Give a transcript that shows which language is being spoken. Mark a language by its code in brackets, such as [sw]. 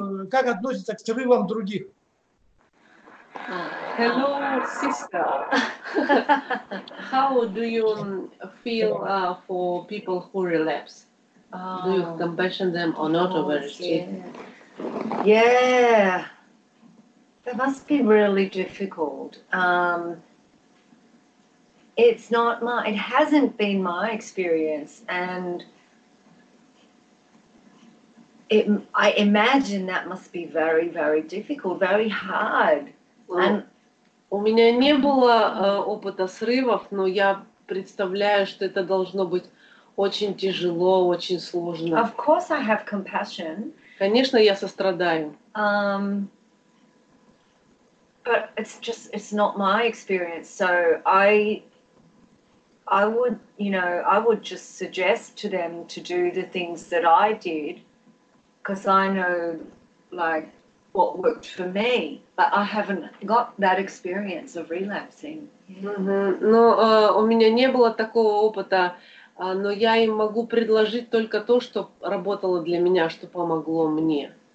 [ru] Как относится к срывам других? [en] Hello, sister. How do you feel for people who relapse? Do you compassion them or not over it? Yeah. That must be really difficult. It hasn't been my experience, and I imagine that must be very, very difficult, very hard [ru] У меня не было опыта срывов, но я представляю, что это должно быть очень тяжело, очень сложно. [en] Of course I have compassion. [ru] Конечно, я сострадаю. [en] But it's not my experience. So I would just suggest to them to do the things that I did, because I know like what worked for me, but I haven't got that experience of relapsing. [ru] Но у меня не было такого опыта, но я им могу предложить только то, что работало для меня, что помогло мне.